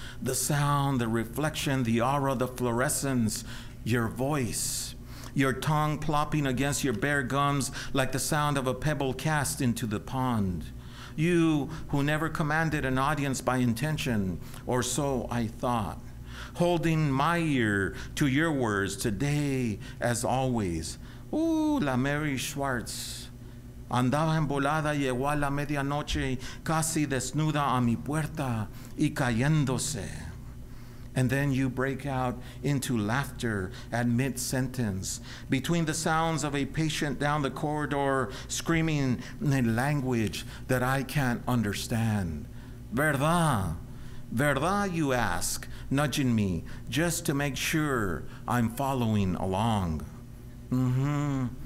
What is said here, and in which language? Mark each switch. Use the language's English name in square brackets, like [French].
[English] The sound, the reflection, the aura, the fluorescence, your voice, your tongue plopping against your bare gums like the sound of a pebble cast into the pond. You, who never commanded an audience by intention, or so I thought, holding my ear to your words today as always. [Spanish] Ooh, la Mary Schwartz. Andaba embolada, llegó a la medianoche, casi desnuda a mi puerta y cayéndose. [English] And then you break out into laughter at mid-sentence, between the sounds of a patient down the corridor screaming in a language that I can't understand. [Spanish] ¿Verdad? ¿Verdad? [English] You ask, nudging me, just to make sure I'm following along. Mm-hmm.